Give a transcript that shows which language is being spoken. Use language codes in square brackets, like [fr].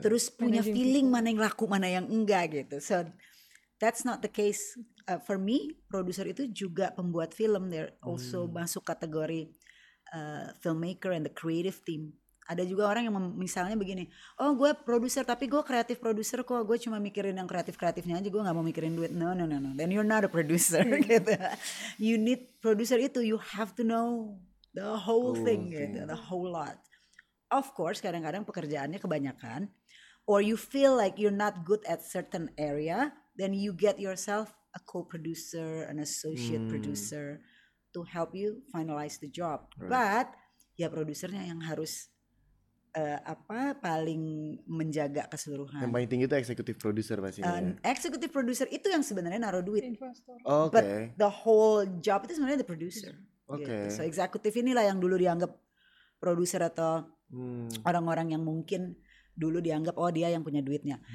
[id] Terus punya feeling mana yang laku, mana yang enggak gitu. [en] So that's not the case for me. [id] Produser itu juga pembuat film. [en] They're also [id] masuk kategori [en] filmmaker and the creative team. [id] Ada juga orang yang misalnya begini, oh gue produser tapi gue kreatif produser kok, gue cuma mikirin yang kreatif-kreatifnya aja, gue gak mau mikirin duit. No. [en] Then you're not a producer gitu. You need producer itu, you have to know the whole thing gitu, the whole lot. Of course [id] kadang-kadang pekerjaannya kebanyakan, [en] or you feel like you're not good at certain area, then you get yourself a co-producer, an associate producer to help you finalize the job. Right. [id] But ya produsernya yang harus paling menjaga keseluruhan. Yang paling tinggi itu executive producer pastinya. Executive producer itu yang sebenarnya naruh duit. [en] Investor. Okay. But the whole job [id] itu sebenarnya [en] the producer. Okay. Gitu. [id] So executive inilah yang dulu dianggap producer atau orang-orang yang mungkin dulu dianggap oh dia yang punya duitnya.